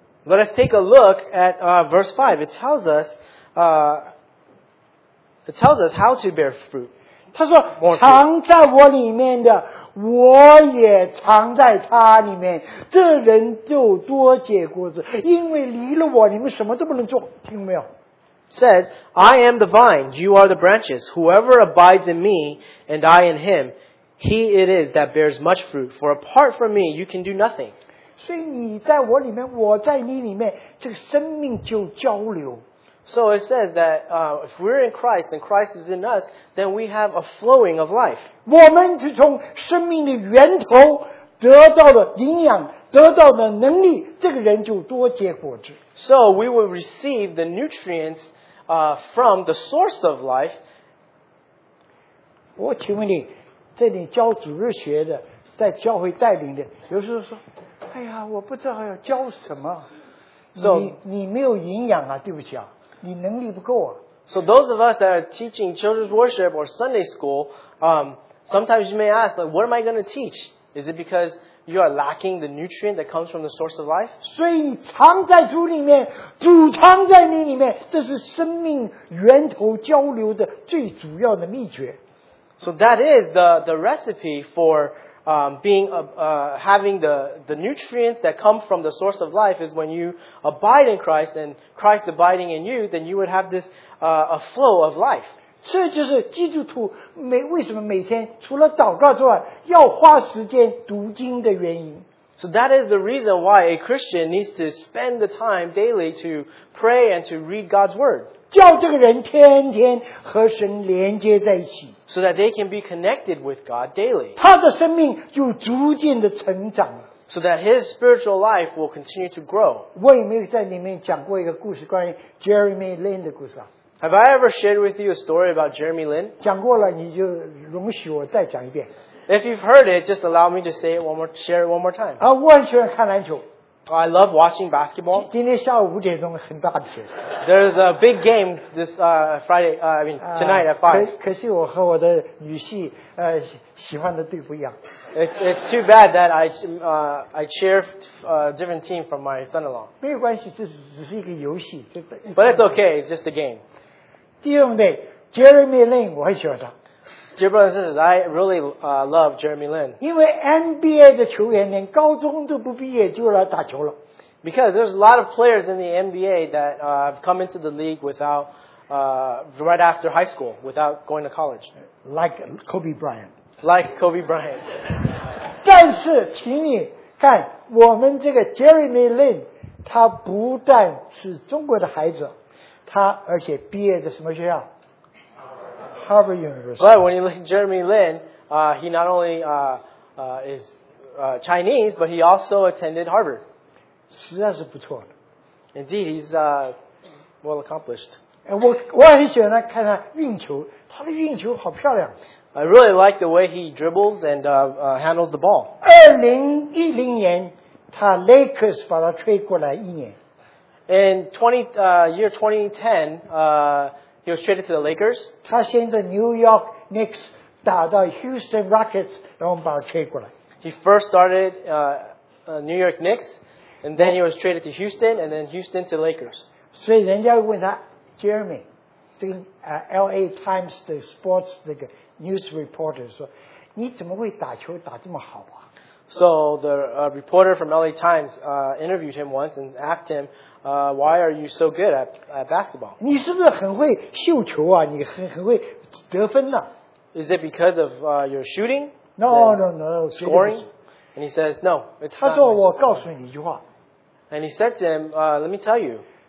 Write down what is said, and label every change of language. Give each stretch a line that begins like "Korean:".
English: Let us take a look at verse 5. It tells us how to bear fruit.
Chinese: 他说，藏在我里面的，我也藏在他里面，这人就多结果子，因为离了我，你们什么都不能做，听没有？
English: Says, I am the vine, you are the branches. Whoever abides in me, and I in him, he it is that bears much fruit. For apart from me, you can do nothing.
Chinese: 所以你在我里面，我在你里面，这个生命就交流。
English: So it says that if we're in Christ and Christ is in us, then we have a flowing of life.
Chinese: 我们是从生命的源头得到的营养，得到的能力，这个人就多结果子。
English: So we will receive the nutrients from the source of life.
Chinese: 我请问你，这里教主日学的，在教会带领的，有时候说，哎呀，我不知道要教什么。
English: So,
Chinese: 你没有营养啊，对不起啊。你能力不够啊。
English: So those of us that are teaching children's worship or Sunday school, sometimes you may ask, like, what am I going to teach? Is it because you are lacking the nutrient that comes from the source of life?
Chinese: 所以你藏在主里面，主藏在你里面，这是生命源头交流的最主要的秘诀。
English: So that is the recipe for having the nutrients that come from the source of life is when you abide in Christ and Christ abiding in you, then you would have this a flow of life.
Chinese: 这就是基督徒为什么每天除了祷告之外要花时间读经的原因。
English: So that is the reason why a Christian needs to spend the time daily to pray and to read God's word.
Chinese: 叫这个人天天和神连接在一起。
English: So that they can be connected with God daily.
Chinese: 他的生命就逐渐的成长了。
English: So that his spiritual life will continue to grow.
Chinese: 我有没有在里面讲过一个故事关于 Jeremy Lin 的故事啊？
English: Have I ever shared with you a story about Jeremy Lin?
Chinese: 讲过了，你就容许我再讲一遍。
English: If you've heard it, just allow me to say it one more time.
Chinese: 啊，我很喜欢看篮球。
English: I love watching basketball.
Chinese: 今天下午5点钟很大的雪。
English: There's a big game this Friday. I mean tonight at 5.
Chinese: 可惜我和我的女婿喜欢的队不一样。
English: It's too bad that I cheer a different team from my son-in-law.
Chinese: 没关系，这只是一个游戏，这。
English: But it's okay. It's just a game.
Chinese: 弟兄弟 ，Jeremy Lin， 我很喜欢他。
English: Dear brothers and sisters, I really love Jeremy Lin.
Chinese: 因为 NBA 的球员连高中都不毕业就来打球了。
English: Because there's a lot of players in the NBA that have come into the league without right after high school, without going to college. Like Kobe Bryant. Like Kobe Bryant.
Chinese: 但是，请你看我们这个 Jeremy Lin， 他不但是中国的孩子，他而且毕业的什么学校？
English: Harvard University. But when you look at Jeremy Lin, he not only is Chinese, but he also attended Harvard.
Chinese: 实在是不错的.
English: Indeed, he's well accomplished. And
Chinese: 我很喜欢看他运球，他的运球好漂亮.
English: I really like the way he dribbles and handles the ball.
Chinese: 2010年, 他 Lakers 把他吹过来一年.
English: In year 2010, he was traded to the Lakers.
Chinese: 他先在 New York Knicks 打到 Houston Rockets， 然后把他吹过来。
English: He first started New York Knicks, and then he was traded to Houston, and then Houston to Lakers.
Chinese: 所以人家问他 Jeremy， 这个LA Times 的 sports 那个 news reporter 说，你怎么会打球打这么好啊？
English: So the reporter from LA Times interviewed him once and asked him, why are you so good at basketball?
Chinese: 你是不是很会秀球啊？你很会得分呐。
English: Is it because of your shooting? No, no, no. Scoring? And he says, no.
Chinese: 他说我告诉你一句话。
English: And he said to him, let me tell you.